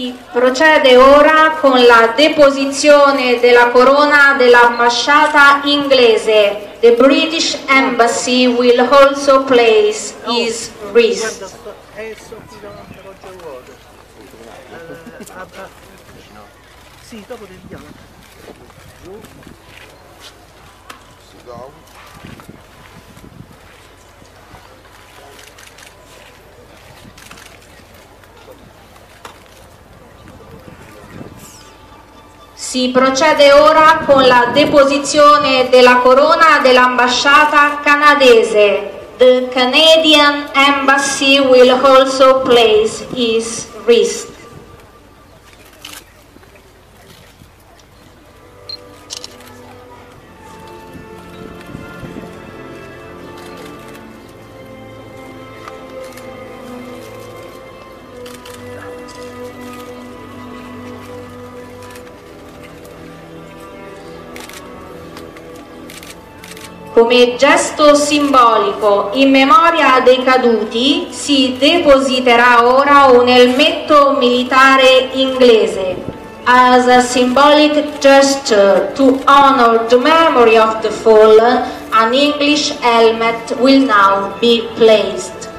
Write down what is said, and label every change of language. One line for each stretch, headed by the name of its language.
Italian: Procede ora con la deposizione della corona dell'ambasciata inglese.
English: The British Embassy will also place his wreath.
Italian: Si procede ora con la deposizione della corona dell'ambasciata canadese.
English: The Canadian Embassy will also place his wreath.
Italian: Come gesto simbolico in memoria dei caduti, si depositerà ora un elmetto militare inglese.
English: As a symbolic gesture to honor the memory of the fallen, an English helmet will now be placed.